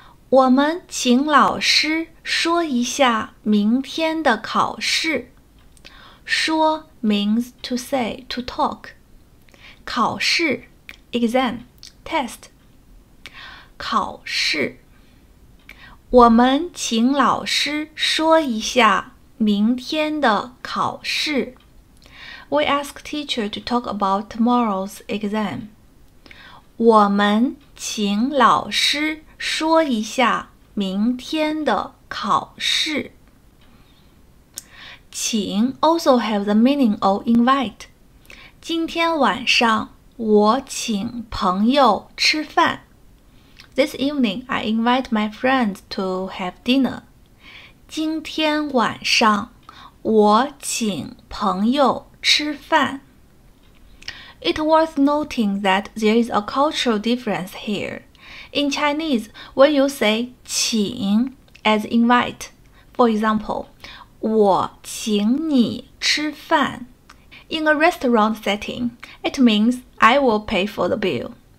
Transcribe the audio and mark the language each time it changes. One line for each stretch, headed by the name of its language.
Chinese: 我们请老师说一下明天的考试。
English: 说 means to say, to talk. 考试 exam, test.
Chinese: 考试。我们请老师说一下明天的考试。
English: We ask teacher to talk about tomorrow's exam.
Chinese: 我们请老师说一下明天的考试。
English: 请 also have the meaning of invite.
Chinese: 今天晚上我请朋友吃饭。
English: This evening, I invite my friends to have dinner.
Chinese: 今天晚上我请朋友吃饭。
English: It worth noting that there is a cultural difference here. In Chinese, when you say 请 as invite, for example,
Chinese: 我请你吃饭。
English: In a restaurant setting, it means I will pay for the bill.